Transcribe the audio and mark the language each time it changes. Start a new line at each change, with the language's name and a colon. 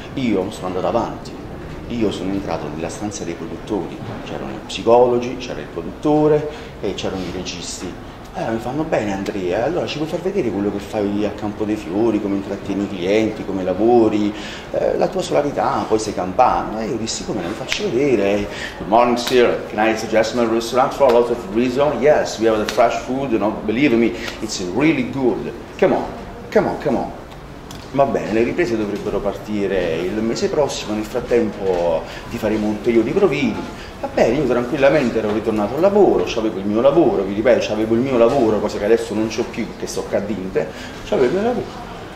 Italian: Io sono andato avanti, io sono entrato nella stanza dei produttori, c'erano i psicologi, c'era il produttore e c'erano i registi. Mi fanno bene Andrea, allora ci puoi far vedere quello che fai a Campo dei Fiori, come intratteni i clienti, come lavori, la tua solarità, poi sei campano. E io dissi, come, mi faccio vedere.
English: Good morning sir, can I suggest my restaurant for a lot of reasons? Yes, we have the fresh food, no, believe me, it's really good. Come on, come on, come on.
Italian: Va bene, le riprese dovrebbero partire il mese prossimo, nel frattempo ti faremo ulteriori provini. Va bene, io tranquillamente ero ritornato al lavoro, avevo il mio lavoro, vi ripeto, avevo il mio lavoro, cosa che adesso non c'ho più, che sto cadente, avevo il mio lavoro.